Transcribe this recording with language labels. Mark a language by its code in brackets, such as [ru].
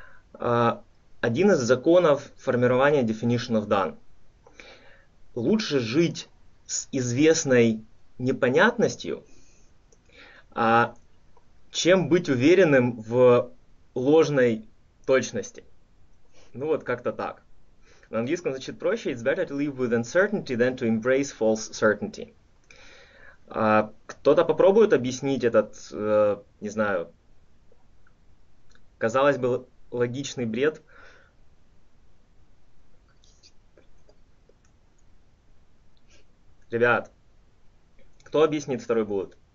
[ru] Один из законов формирования definition of done. Лучше жить с известной непонятностью, чем быть уверенным в ложной точности. Ну вот как-то так. На английском звучит проще. [en] It's better to live with uncertainty than to embrace false certainty. [ru] Кто-то попробует объяснить этот, не знаю, казалось бы, логичный бред? Ребят, кто объяснит второй bullet?